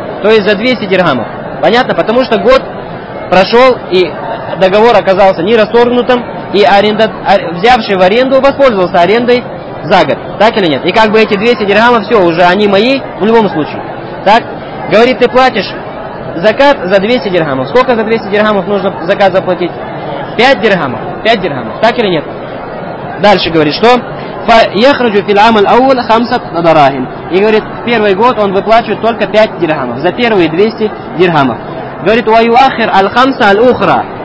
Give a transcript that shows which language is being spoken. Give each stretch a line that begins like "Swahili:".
Russian: То есть за 200 дирхамов. Понятно? Потому что год прошел, и договор оказался нерасторгнутым, и взявший в аренду воспользовался арендой за год. Так или нет? И как бы эти 200 дирхамов, все, уже они мои в любом случае. Так? Говорит, ты платишь закат за 200 дирхамов. Сколько за 200 дирхамов нужно закат заплатить? 5 дирхамов. 5 дирхамов. Так или нет? Дальше говорит, что
Arabic: يخرج في العام الأول 5 دراهم.
Russian: И говорит, в первый год он выплачивает только 5 дирхамов за первые 200 дирхамов. Говорит,
Arabic: ويؤخر الخمسة الأخرى.